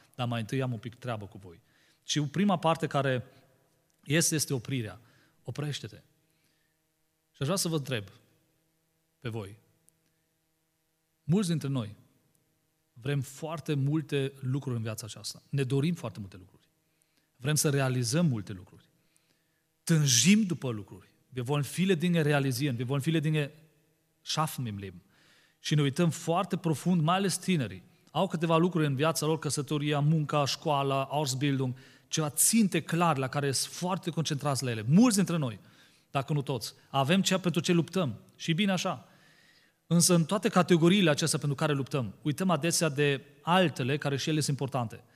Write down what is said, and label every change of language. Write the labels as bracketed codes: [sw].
[ro] Dar mai întâi am un pic treabă cu voi. Și prima parte care este oprirea. Oprește-te. Și aș vrea să vă întreb pe voi. Mulți dintre noi vrem foarte multe lucruri în viața aceasta. Ne dorim foarte multe lucruri. Vrem să realizăm multe lucruri. Tânjim după lucruri. [de] Wir wollen viele Dinge realisieren. Wir wollen viele Dinge schaffen im Leben. [ro] Și ne uităm foarte profund, mai ales tinerii. Au câteva lucruri în viața lor, căsătoria, munca, școala, Ausbildung, ceva ținte clar la care sunt foarte concentrați la ele. Mulți dintre noi, dacă nu toți, avem ceea pentru ce luptăm. Și bine așa. Însă în toate categoriile acestea pentru care luptăm, uităm adesea de altele care și ele sunt importante.